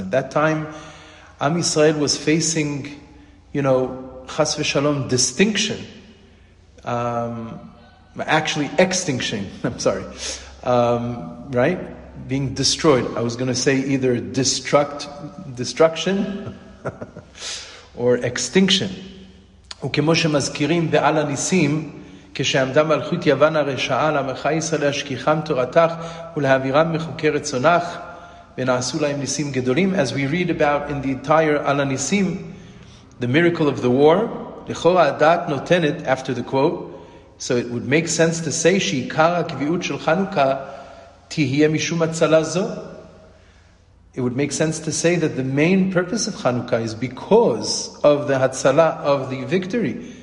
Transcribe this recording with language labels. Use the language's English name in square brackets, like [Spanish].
[English] At that time, Am Yisrael was facing, you know, chas v'shalom, distinction. Actually, extinction. I'm sorry. Right? Being destroyed. I was going to say either destruction or extinction. [Hebrew] וכמו שמזכירים בעל הניסים, כשעמדה מלכות יוון הרשעה למחה ישראל להשכיחם תורתך ולהעבירם מחוקי רצונך, ונעשו להם ניסים גדולים. [English] As we read about in the entire על הניסים, the miracle of the war, [Hebrew] לכאורה הדעת נותנת, [English] after the quote, so it would make sense to say [Hebrew] שעיקר הקביעות של חנוכה תהיה משום הצלה זו. [English] It would make sense to say that the main purpose of חנוכה is because of the הצלה, of the victory.